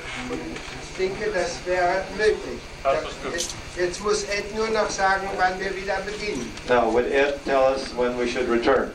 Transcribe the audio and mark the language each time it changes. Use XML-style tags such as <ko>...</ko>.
<de>Ich denke, das wäre möglich. Jetzt muss Ed nur noch sagen, wann wir wieder beginnen.</de> <en>Now, would Ed tell us when we should return?</en>